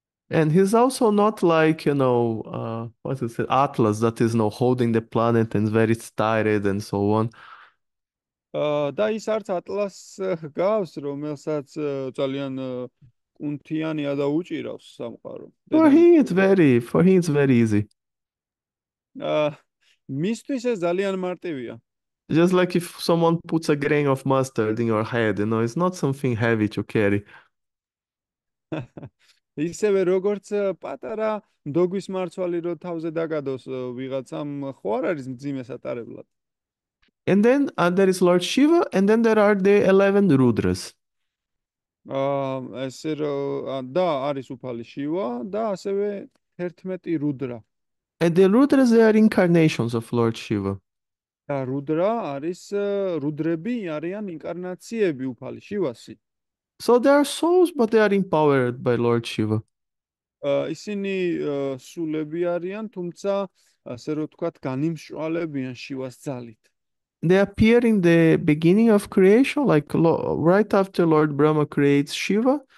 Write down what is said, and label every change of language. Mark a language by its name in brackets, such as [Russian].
[English] And he's also not like, what is it, Atlas, that is holding the planet and very tired and so on. [Georgian] და ის არც ატლას ჰგავს, რომელსაც ძალიან კუნთიანია და უჭირავს სამყარო დედამიწაზე. [English] For him it's very easy. [Georgian] მისთვის ეს ძალიან მარტივია. [English] Just like if someone puts a grain of mustard in your head, it's not something heavy to carry. [Georgian] ისევე როგორც პატარა მდოგვის მარცვალი რო თავზე დაგადოს ვიღაცამ, ხო არ არის მძიმე სატარებლად? [English] And then there is Lord Shiva, and then there are the 11 Rudras. [Georgian] ესე რომ, და არის უფალი შივა და ასევე თერთმეტი რუდრა. [English] And the Rudras, they are incarnations of Lord Shiva. [Georgian] და რუდრა არის, რუდრები არიან ინკარნაციები უფალი შივასი. [English] So they are souls, but they are empowered by Lord Shiva. [Georgian] ისინი სულები არიან, თუმცა ასე რომ ვთქვათ, განიმშვალებიან შივას ძალით. [English] They appear in the beginning of creation, like right after Lord Brahma creates Shiva.